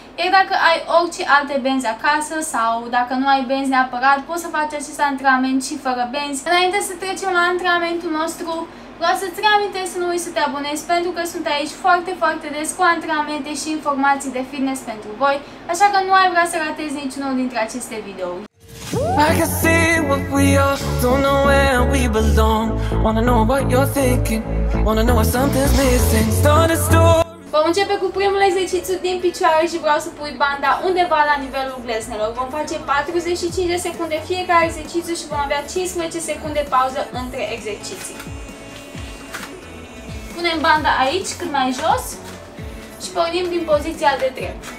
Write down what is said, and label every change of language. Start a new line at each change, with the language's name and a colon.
Romanian: Iar dacă ai orice alte benzi acasă sau dacă nu ai benzi neapărat, poți să faci acest antrenament și fără benzi. Înainte să trecem la antrenamentul nostru, vreau să-ți reamintesc să nu uiți să te abonezi, pentru că sunt aici foarte, foarte des cu antrenamente și informații de fitness pentru voi, așa că nu ai vrea să ratezi niciunul dintre aceste videouri.
English: I can see what we are, don't know where we belong. Wanna know what you're thinking, wanna know if something's missing. Start a story.
Romanian: Vom începe cu primul exercițiu din picioare și vreau să pui banda undeva la nivelul gleznelor. Vom face 45 de secunde fiecare exercițiu și vom avea 15 secunde pauză între exerciții. Punem banda aici, cât mai jos, și pornim din poziția de drept.